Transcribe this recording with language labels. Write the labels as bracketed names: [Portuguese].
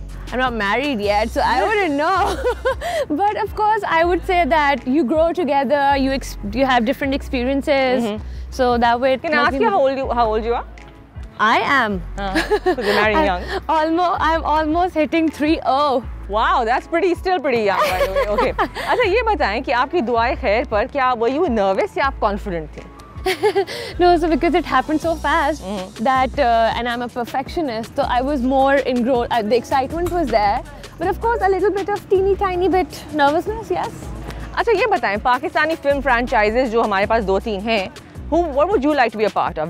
[English] I'm not married yet, so I wouldn't know. But of course, I would say that you grow together. You have different experiences. Mm-hmm. So that way. Can I ask you how old you are? I am. So you're marrying young. I'm almost hitting 30. Wow, that's pretty, still pretty young, by the way. Okay. [Urdu] अच्छा ये बताएं कि आपकी दुआएं खैर पर क्या [English] were you nervous [Urdu] या आप confident थे? [English] No, so because it happened so fast that and I'm a perfectionist, so I was more engrossed. The excitement was there, but of course a little bit of teeny tiny bit nervousness, yes. [Urdu] अच्छा ये बताएं [English] Pakistani film franchises [Urdu] जो हमारे पास दो तीन हैं, [English] whom what would you like to be a part of?